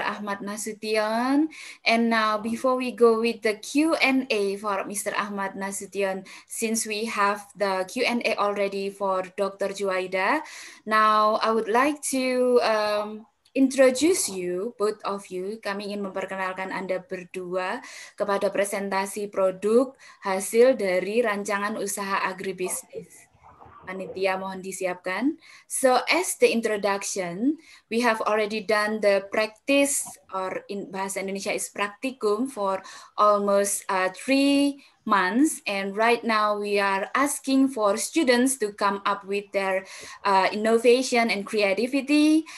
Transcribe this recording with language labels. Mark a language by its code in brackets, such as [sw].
[en] Ahmad Nasution. And now before we go with the Q&A for Mr. Ahmad Nasution, since we have the Q&A already for Dr. Juwaida, now I would like to introduce you, both of you. [id] Kami ingin memperkenalkan Anda berdua kepada presentasi produk hasil dari rancangan usaha agribisnis. Panitia mohon disiapkan. [en] So as the introduction, we have already done the practice, or in bahasa Indonesia is praktikum, for almost 3 months, and right now we are asking for students to come up with their innovation and creativity.